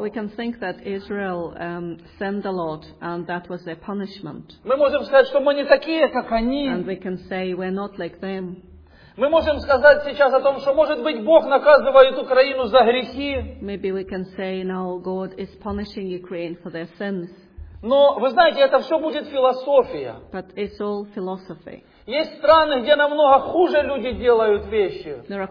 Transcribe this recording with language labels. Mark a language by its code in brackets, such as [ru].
[en] We can think that Israel sinned a lot, and that was their punishment. [ru] Мы можем сказать, что мы не такие, как они. [en] And we can say we're not like them. [ru] Мы можем сказать сейчас о том, что, может быть, Бог наказывает Украину за грехи. [en] Maybe we can say now God is punishing Ukraine for their sins. [ru] Но, вы знаете, это все будет философия. [en] But it's all philosophy. [ru] Есть страны, где намного хуже люди делают вещи,